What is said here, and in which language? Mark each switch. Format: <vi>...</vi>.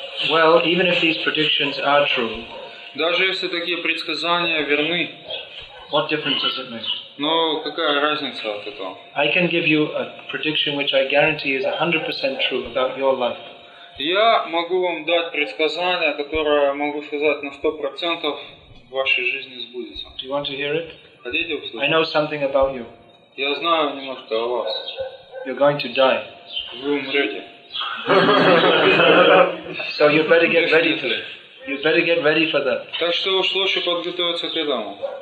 <en>Well, even if these predictions are true,</en> <ru>даже если такие предсказания верны,</ru> <en>what difference does it make?</en> <ru>Но какая разница от этого?</ru> <en>I can give you a prediction which I guarantee is 100% true about your life.</en> <ru>Я могу вам дать предсказание, которое могу сказать на 100% в вашей жизни сбудется.</ru> <en>Do you want to hear it?</en> <ru>Хотите услышать?</ru> <en>I know something about you.</en> <ru>Я знаю немножко о вас.</ru> <en>You're going to die.</en> <ru>Вы умрете.</ru> <en>So you better get ready for it. You better get ready for that.</en> <ru>Так что уж лучше подготовиться к этому.</ru>